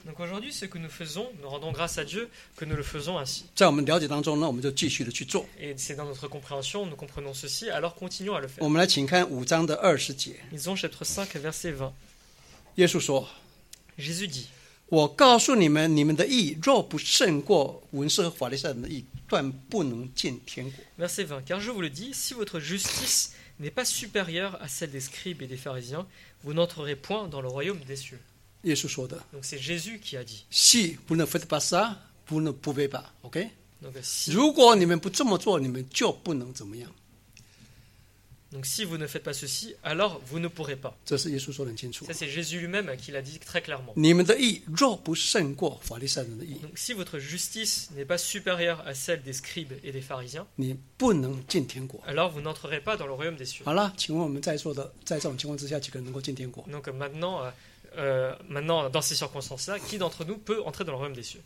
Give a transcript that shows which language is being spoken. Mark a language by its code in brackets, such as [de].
[fr] Donc aujourd'hui, ce que nous faisons, nous rendons grâce à Dieu que nous le faisons ainsi. [zh] 在我们了解当中呢，我们就继续的去做。 [fr] Et c'est dans notre compréhension, nous comprenons ceci, alors continuons à le faire. [zh] 我们来请看五章的二十节。 [fr] Lisons chapitre 5, verset 20. [zh] 耶稣说。 [fr] Jésus dit. [zh] 我告诉你们，你们的义若不胜过文士和法利赛人的义，断不能进天国。 [fr] Verset 20. Car je vous le dis, si votre justice n'est pas supérieure à celle des scribes et des pharisiens, vous n'entrerez point dans le royaume des cieux. [zh] 耶稣说的。 [fr] Donc c'est Jésus qui a dit. Si vous ne faites pas ça, vous ne pouvez pas. OK? Donc si. [zh] 如果你们不这么做，你们就不能怎么样。 [fr] Donc si vous ne faites pas ceci, alors vous ne pourrez pas. [zh] 这是耶稣说得很清楚。 [fr] Ça c'est Jésus lui-même qui l'a dit très clairement. [zh] 你们的义若不胜过法利赛人的义。 [fr] Donc si votre justice n'est pas supérieure à celle des scribes et des pharisiens, [zh] 你不能进天国。 [fr] Alors vous n'entrerez pas dans le royaume des cieux. [zh] 好了，请问我们在座的，在这种情况之下，几个人能够进天国？ [fr] Donc maintenant, dans ces circonstances-là, qui d'entre nous peut entrer dans le royaume des cieux ?